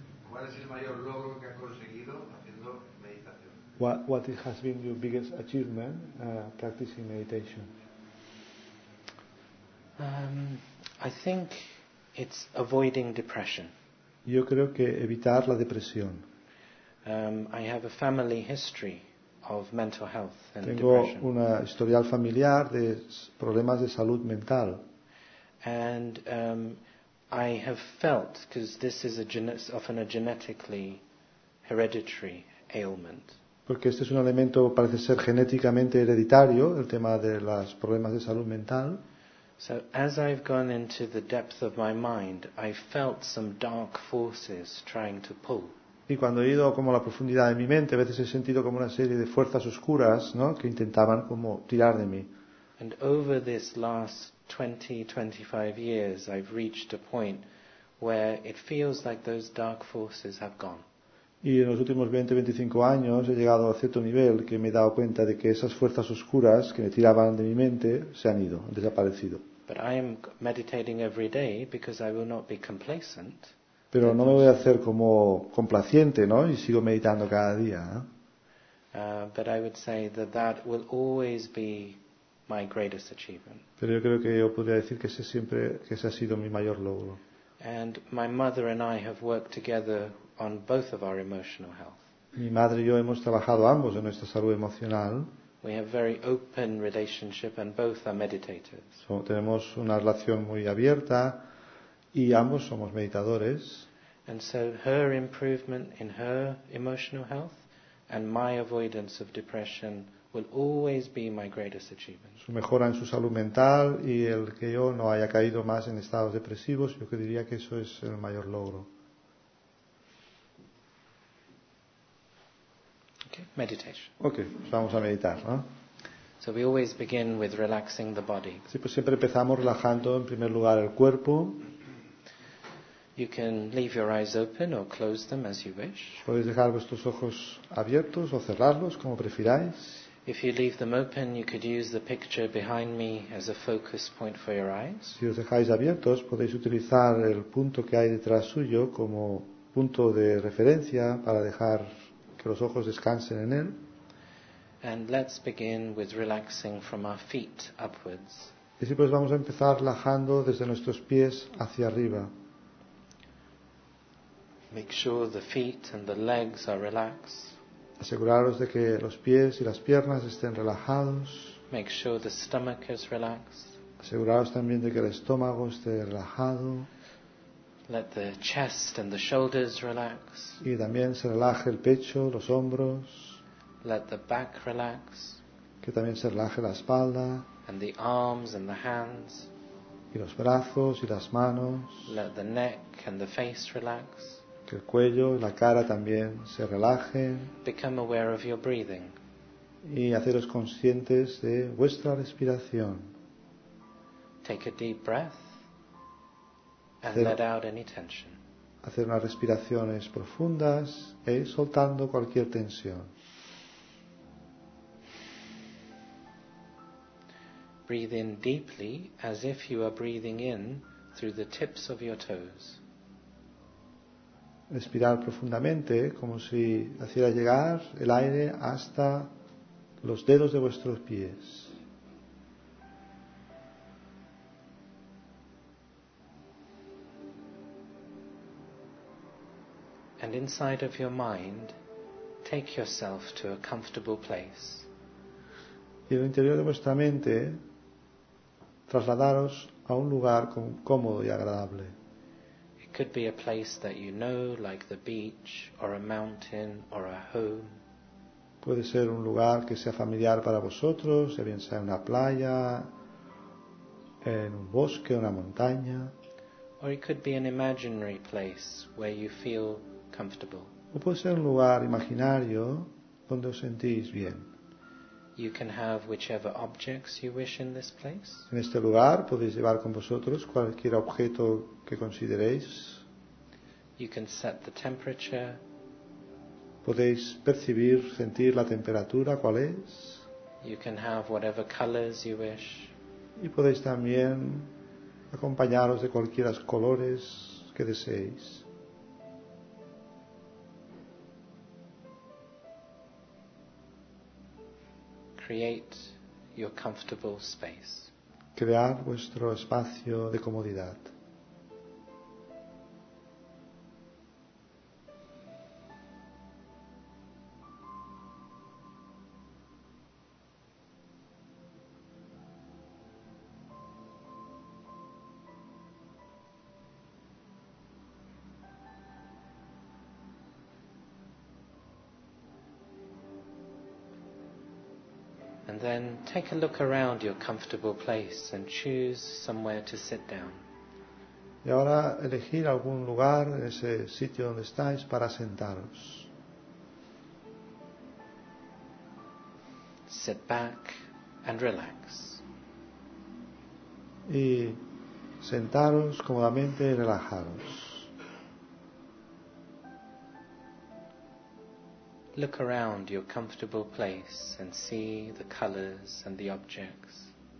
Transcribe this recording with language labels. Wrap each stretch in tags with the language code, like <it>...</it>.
<es>¿Cuál es el mayor logro que has conseguido haciendo meditación?</es> <en>What has been your biggest achievement practicing meditation? I think it's avoiding depression.</en> <es>Yo creo que evitar la depresión.</es> <en>I have a family history of mental health and</en> <es>tengo</es> <en>depression.</en> <es>Tengo una historial familiar de problemas de salud mental.</es> <en>And I have felt, because this is often a genetically hereditary ailment.</en> <es>Porque este es un elemento, parece ser genéticamente hereditario, el tema de los problemas de salud mental.</es> <en>So as I've gone into the depth of my mind, I felt some dark forces trying to pull.</en> <es>Y cuando he ido como a la profundidad de mi mente, a veces he sentido como una serie de fuerzas oscuras, ¿no?, que intentaban como tirar de mí.</es> <en>And over this last 20-25 years, I've reached a point where it feels like those dark forces have gone.</en> <es>Y en los últimos 20-25 años he llegado a cierto nivel que me he dado cuenta de que esas fuerzas oscuras que me tiraban de mi mente se han ido, han desaparecido.</es> <en>But I am meditating every day because I will not be complacent.</en> <es>Pero no me voy a hacer como complaciente, ¿no?, y sigo meditando cada día,</es> <en>But I would say that that will always be my greatest achievement.</en> <es>Pero yo creo que yo podría decir que ese ha sido mi mayor logro.</es> <en>And my mother and I have worked together on both of our emotional health.</en> <es>Mi madre y yo hemos trabajado ambos en nuestra salud emocional.</es> <en>We have very open relationship and both are meditators.</en> <es>Tenemos una relación muy abierta y ambos somos meditadores.</es> <en>And so her improvement in her emotional health and my avoidance of depression will always be my greatest achievement.</en> <es>Su mejora en su salud mental y el que yo no haya caído más en estados depresivos, yo que diría que eso es el mayor logro.</es> <en>Meditation.</en> <es>Okay, pues vamos a meditar, ¿no?</es> <en>So we always begin with relaxing the body.</en> <es>Sí, pues siempre empezamos relajando en primer lugar el cuerpo.</es> <en>You can leave your eyes open or close them as you wish.</en> <es>Podéis dejar vuestros ojos abiertos o cerrarlos, como prefiráis.</es> <en>If you leave them open, you could use the picture behind me as a focus point for your eyes.</en> <es>Si os dejáis abiertos, podéis utilizar el punto que hay detrás suyo como punto de referencia para dejar que los ojos descansen en él.</es> <en>And let's begin with relaxing from our feet upwards.</en> <es>Y así pues vamos a empezar relajando desde nuestros pies hacia arriba.</es> <en>Make sure the feet and the legs are relaxed.</en> <es>Aseguraros de que los pies y las piernas estén relajados.</es> <en>Make sure the stomach is relaxed.</en> <es>Aseguraros también de que el estómago esté relajado.</es> <en>Let the chest and the shoulders relax.</en> <es>Y también se relaje el pecho, los hombros.</es> <en>Let the back relax.</en> <es>Que también se relaje la espalda.</es> <en>And the arms and the hands.</en> <es>Y los brazos y las manos.</es> <en>Let the neck and the face relax.</en> <es>Que el cuello y la cara también se relajen.</es> <en>Become aware of your breathing.</en> <es>Y haceros conscientes de vuestra respiración.</es> <en>Take a deep breath. And let out any tension.</en> <es>Hacer unas respiraciones profundas e ir soltando cualquier tensión.</es> <en>Breathe in deeply as if you are breathing in through the tips of your toes.</en> <es>Respirar profundamente como si hiciera llegar el aire hasta los dedos de vuestros pies.</es> <en>And inside of your mind, take yourself to a comfortable place.</en> <es>Y en el interior de vuestra mente, trasladaros a un lugar cómodo y agradable.</es> <en>It could be a place that you know, like the beach, or a mountain, or a home.</en> <es>Puede ser un lugar que sea familiar para vosotros, ya bien sea en una playa, en un bosque, una montaña.</es> <en>Or it could be an imaginary place where you feel comfortable.</en> <es>O puede ser un lugar imaginario donde os sentís bien.</es> <en>You can have whichever objects you wish in this place.</en> <es>En este lugar podéis llevar con vosotros cualquier objeto que consideréis.</es> <en>You can set the temperature.</en> <es>Podéis percibir, sentir la temperatura, cuál es.</es> <en>You can have whatever colors you wish.</en> <es>Y podéis también acompañaros de cualquier colores que deseéis.</es> <en>Create your comfortable space.</en> <es>Crear vuestro espacio de comodidad.</es> <en>And then take a look around your comfortable place and choose somewhere to sit down.</en> <es>Y ahora elegir algún lugar en ese sitio donde estáis para sentaros.</es> <en>Sit back and relax.</en> <es>Y sentaros cómodamente y relajaros.</es> <en>Look around your comfortable place and see the colors and the objects.</en>